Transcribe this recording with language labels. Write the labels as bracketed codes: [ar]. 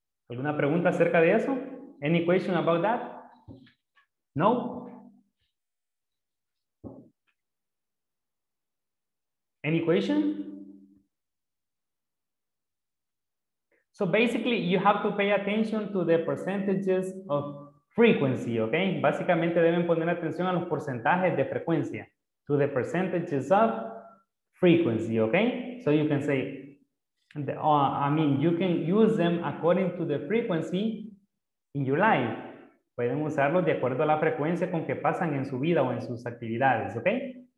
[es] ¿Alguna pregunta acerca de eso? [en] Any question about that? No? Any question? So basically, you have to pay attention to the percentages of frequency, okay? [es] Básicamente deben poner atención a los porcentajes de frecuencia. [en] To the percentages of frequency, okay? So you can say, you can use them according to the frequency in your life. [es] Pueden usarlos de acuerdo a la frecuencia con que pasan en su vida o en sus actividades, okay?